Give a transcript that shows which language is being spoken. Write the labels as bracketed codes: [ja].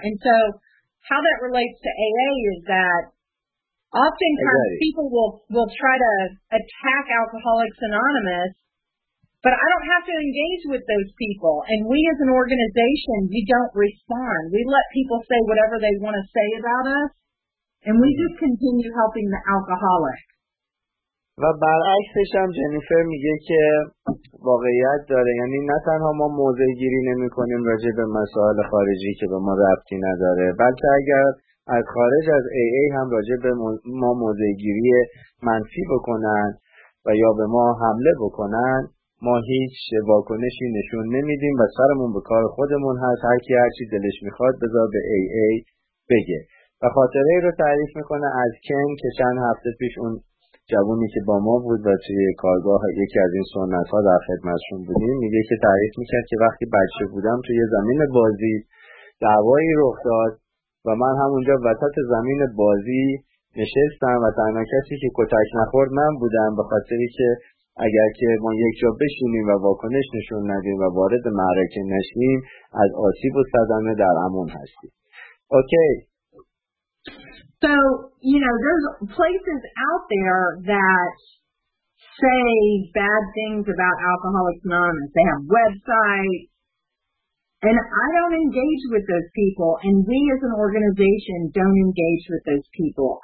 [en] And so how that relates to AA is that oftentimes people will try to attack Alcoholics Anonymous, but I don't have to engage with those people. And we as an organization, we don't respond. We let people say whatever they want to say about us. And we just continue helping the alcoholic. [fa] و برعکسش هم جنیفر میگه که واقعیت داره. یعنی نه تنها ما موضع گیری نمی کنیم راجع به مسائل خارجی که به ما ربطی نداره، بلکه اگر از خارج از AA هم راجع به ما موضع گیری منفی بکنن و یا به ما حمله بکنن، ما هیچ واکنشی نشون نمیدیم و سرمون به کار خودمون هست. هر کی هر چی دلش میخواد بذار به AA بگه. و خاطره ای رو تعریف میکنه از کن که چند هفته پیش اون جوونی که با ما بود و توی کارگاه یکی از این سنت ها در خدمتشون بودیم، میگه که تعریف میکرد که وقتی بچه بودم توی زمین بازی دعوایی رخ داد و من همونجا وسط زمین بازی نشستم و تنها کسی که کتک نخورد من بودم، به خاطری که اگر که ما یک جا بشینیم و واکنش نشون ندیم و وارد معرکه نشیم، از آسیب و صدمه در امان هستیم. [en] Okay. So, you know, there's places out there that say bad things about Alcoholics Anonymous. They have websites And I don't engage with those people, and we as an organization don't engage with those people.